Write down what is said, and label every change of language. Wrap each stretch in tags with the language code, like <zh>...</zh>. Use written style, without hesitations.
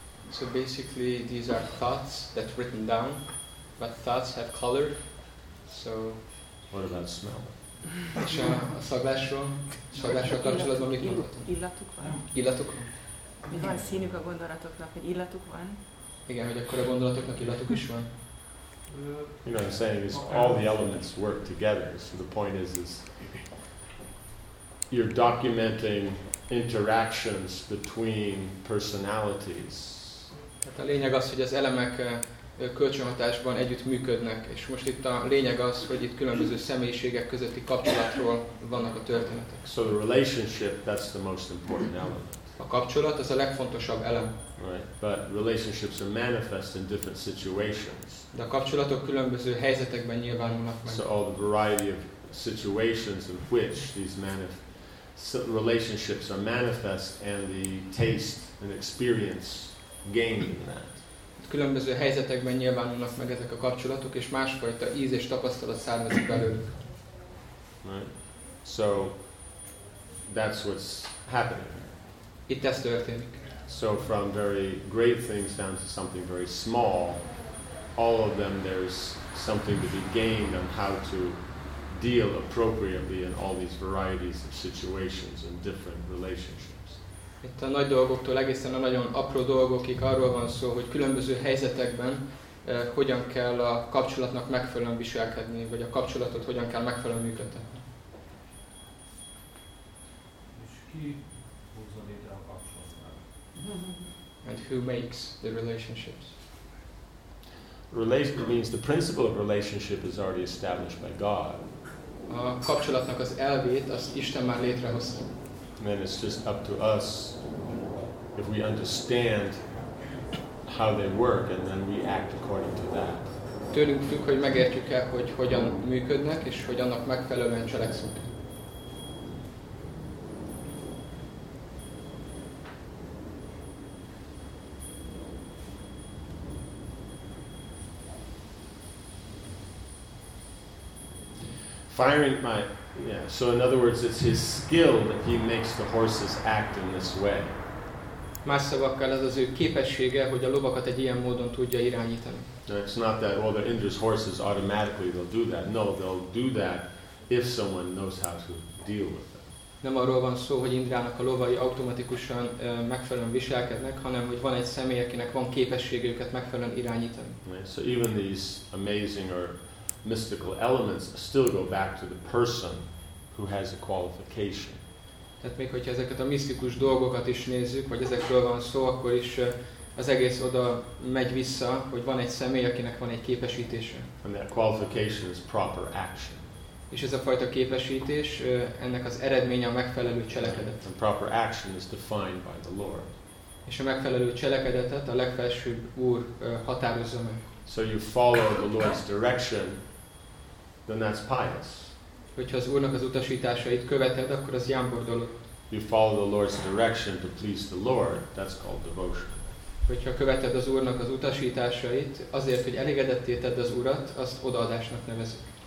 <en>So basically, these are thoughts that's written down, but thoughts have color. So. What about smell?</en> <hu>És a szaglásról, szaglásról kapcsolatban mit mondhatunk? Illatuk van. Illatuk van. Mi van színük a gondolatoknak, hogy illatuk van? Igen, hogy akkor a gondolatoknak illatuk is van.</hu> <en>You know what I'm saying is all the elements work together. So the point is you're documenting interactions between personalities.</en> <hu>Tehát a lényeg az, hogy az elemek kölcsönhatásban együtt működnek, és most itt a lényeg az, hogy itt különböző személyiségek közötti kapcsolatról vannak a történetek.</hu> <en>So the relationship, that's the most important element.</en> <hu>A kapcsolat az a legfontosabb elem.</hu> <en>Right. But relationships are manifest in different situations.</en> <hu>De a kapcsolatok különböző helyzetekben nyilvánulnak meg.</hu> <en>So all the variety of situations in which these relationships are manifest and the taste and experience gained in that.</en> <hu>Különböző helyzetekben nyilvánulnak meg ezek a kapcsolatok, és másfajta íz és tapasztalat származik belőlük.</hu> <en>Right. So that's what's happening.</en> <hu>Itt ez történik.</hu> <en>So from very great things down to something very small, all of them there's something to be gained on how to deal appropriately in all these varieties of situations and different relationships.</en> <hu>Itt a nagy dolgoktól egészen a nagyon apró dolgokig arról van szó, hogy különböző helyzetekben hogyan kell a kapcsolatnak megfelelően viselkedni, vagy a kapcsolatot hogyan kell megfelelően működtetni. És ki hozza létre a kapcsolatot?</hu> <en>And who makes the relationships? Relationship means the principle of relationship is already established by God.</en> <hu>A kapcsolatnak az elvét, azt Isten már létrehozta.</hu> <en>Then it's just up to us if we understand how they work and then we act according to that.</en> <hu>Tőlünk függ, hogy megértjük-e, hogy hogyan működnek és hogy annak megfelelően cselekszünk.</hu> <en>Firing my, yeah, so in other words, it's his skill that he makes the horses act in this way.</en> <hu>Más szavakkal, ez az ő képessége, hogy a lovakat egy ilyen módon tudja irányítani.</hu> <en>It's not that, well, they're Indra's horses, automatically they'll do that. No, they'll do that if someone knows how to deal with them.</en> <hu>Nem arról van szó, hogy Indrának a lovai automatikusan megfelelően viselkednek, hanem hogy van egy személy, akinek van képességüket megfelelően irányítani.</hu> <en>Right. So even these amazing or mystical elements still go back to the person who has a qualification.</en> <hu>Tehát még hogyha ezeket a misztikus dolgokat is nézzük, vagy ezekről van szó, akkor is az egész oda megy vissza, hogy van egy személy, akinek van egy képesítése.</hu> <en>And that qualification is proper action.</en> <hu>És ez a fajta képesítés, ennek az eredménye a megfelelő cselekedet.</hu> <en>And proper action is defined by the Lord.</en> <hu>És a megfelelő cselekedetet a legfelsőbb úr határozza meg.</hu> <en>So you follow the Lord's direction, then that's pious.</en> <hu>Hogyha az Úrnak az utasításait követed, akkor az jámbor dolog.</hu> <en>You follow the Lord's direction to please the Lord, that's called devotion.</en> <hu>Hogyha követed az Úrnak az utasításait, azért, hogy elégedetté tedd az Urat, azt odaadásnak nevezik.</hu>